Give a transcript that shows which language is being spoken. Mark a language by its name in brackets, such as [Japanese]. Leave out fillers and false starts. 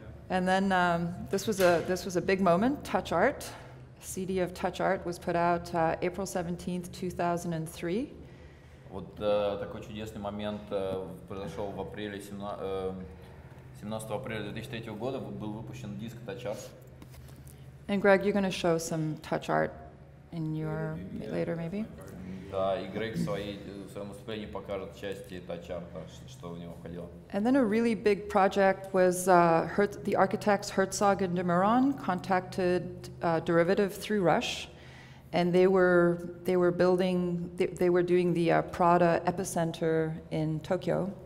[English] And then this was a big moment, Touch Art. CD of Touch Art was put out April 17th, 2003. [Russian] Вот такой чудесный момент произошел в апреле 17 апреля 2003 года был выпущен диск Touch Art. [English] And Greg, you're going to show some Touch Art in your later maybe. [Russian] Да, и Грег в своем выступлении покажет части Touch Art, что в него входило. [English] And then a really big project was the architects Herzog and de Meuron contacted Derivative through Rush, and they were doing the Prada Epicenter in Tokyo.